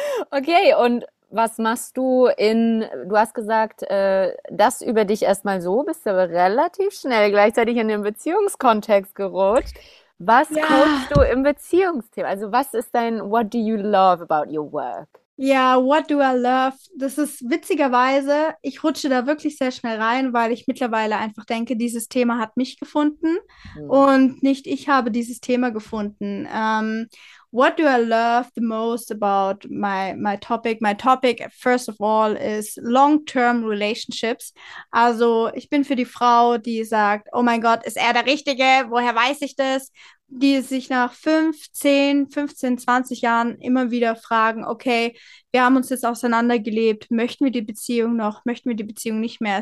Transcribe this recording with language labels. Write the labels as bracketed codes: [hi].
[de] Okay, und was machst du du hast gesagt, das über dich erstmal so, bist du aber relativ schnell gleichzeitig in den Beziehungskontext gerutscht. Was coachst du im Beziehungsthema? Also, was ist dein, [en] what do you love about your work? Ja, what do I love? [de] Das ist witzigerweise, ich rutsche da wirklich sehr schnell rein, weil ich mittlerweile einfach denke, dieses Thema hat mich gefunden und nicht ich habe dieses Thema gefunden. [en] What do I love the most about my topic? My topic, first of all, is long-term relationships. [de] Also, ich bin für die Frau, die sagt, oh mein Gott, ist er der Richtige? Woher weiß ich das? Die sich nach 5, 10, 15, 20 Jahren immer wieder fragen, okay, wir haben uns jetzt auseinandergelebt, möchten wir die Beziehung noch, möchten wir die Beziehung nicht mehr?